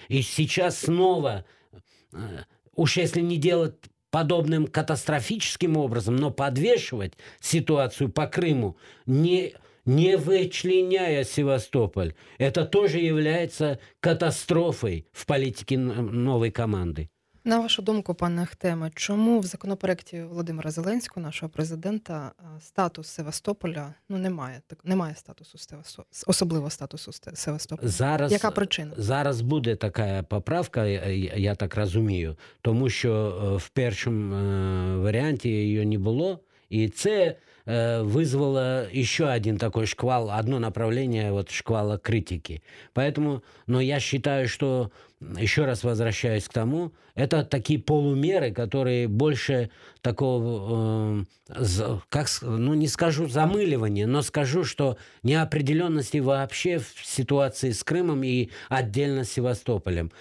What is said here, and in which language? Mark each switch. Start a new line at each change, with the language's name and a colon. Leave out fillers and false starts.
Russian: И сейчас снова, уж если не делать... подобным катастрофическим образом, но подвешивать ситуацию по Крыму, не вычленяя Севастополь, это тоже является катастрофой в политике новой команды.
Ukrainian: На вашу думку, пане Ахтеме, чому в законопроекті Володимира Зеленського, нашого президента, статус Севастополя, ну, немає статусу Севастополя, особливо статусу Севастополя? Зараз, яка причина? Зараз буде така поправка, я так розумію, тому що в першому варіанті її не було, і це
Russian: вызвало еще один такой шквал, одно направление вот шквала критики. Поэтому, но я считаю, что, еще раз возвращаюсь к тому, это такие полумеры, которые больше такого, не скажу замыливания, но скажу, что неопределенности вообще в ситуации с Крымом и отдельно с Севастополем.